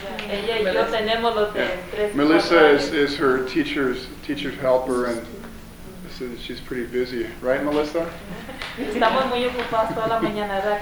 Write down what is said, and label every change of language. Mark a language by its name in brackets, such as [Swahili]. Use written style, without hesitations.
[Spanish] Ella y yo tenemos los tres. [English] Melissa is her teacher's helper, and she's pretty busy, right, Melissa? [Spanish] Estamos muy ocupados toda la mañana, ¿verdad?